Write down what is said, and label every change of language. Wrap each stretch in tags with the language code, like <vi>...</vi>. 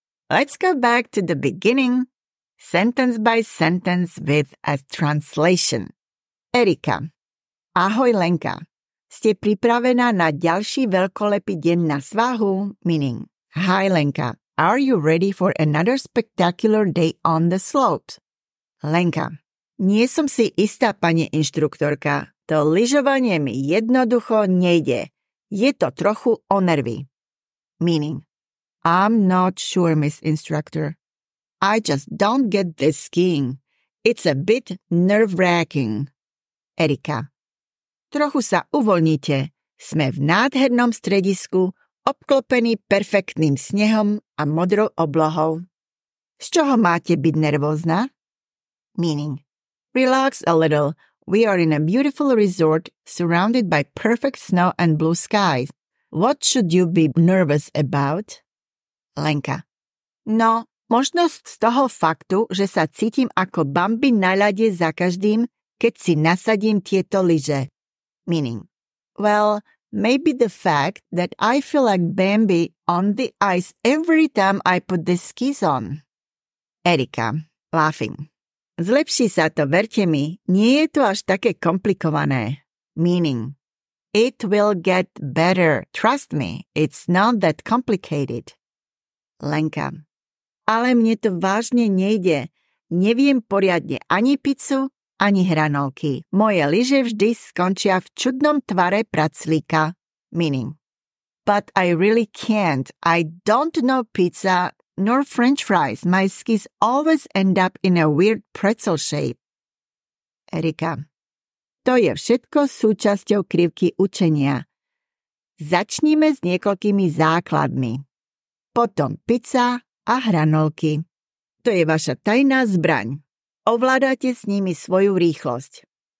<en>Let's go back to the beginning, sentence by sentence with a translation.</en> <sk>Erika. Ahoj, Lenka. Ste pripravená na ďalší veľkolepý deň na svahu, meaning.</sk> <en>Hi, Lenka. Are you ready for another spectacular day on the slope?</en> <sk>Lenka. Nie som si istá, pani inštruktorka. To lyžovanie mi jednoducho nejde. Je to trochu o nervy. Meaning.</sk> <en>I'm not sure, Miss Instructor. I just don't get this skiing. It's a bit nerve-wracking.</en> <sk>Erika. Trochu sa uvoľnite. Sme v nádhernom stredisku, obklopení perfektným snehom a modrou oblohou. Z čoho máte byť nervózna?</sk> <en>Meaning. Relax a little. We are in a beautiful resort surrounded by perfect snow and blue skies. What should you be nervous about? Lenka.</en> <sk>No, možnosť z toho faktu, že sa cítim ako Bambi na ľade za každým, keď si nasadím tieto lyže.</sk> <en>Meaning, well, maybe the fact that I feel like Bambi on the ice every time I put the skis on. Erika, laughing.</en> <sk>Zlepší sa to, verte mi, nie je to až také komplikované.</sk> <en>Meaning, it will get better, trust me, it's not that complicated.</en> <sk>Lenka, ale mne to vážne nejde, neviem poriadne ani pizzu, ani hranolky. Moje lyže vždy skončia v čudnom tvare praclíka. Meaning.</sk> <en>But I really can't. I don't know pizza nor french fries. My skis always end up in a weird pretzel shape. Erika.</en> <sk>To je všetko súčasťou krivky učenia. Začníme s niekoľkými základmi. Potom pizza a hranolky. To je vaša tajná zbraň. Ovládate s nimi svoju rýchlosť.</sk>